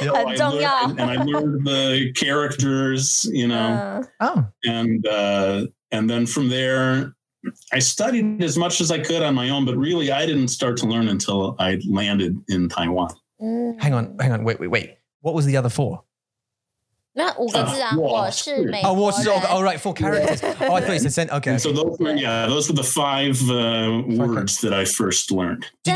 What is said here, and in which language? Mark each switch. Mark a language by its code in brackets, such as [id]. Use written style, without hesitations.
[zh] Yeah. 很重要. [en] I learned the characters, you know. And then from there, I studied as much as I could on my own, but really I didn't start to learn until I landed in Taiwan. Mm. Hang on. Wait. What was the other four? [zh] 那五个字啊，我是美国人。 [en] Oh, right, four characters. Oh, I thought you said, okay. So those were the five words that I first learned.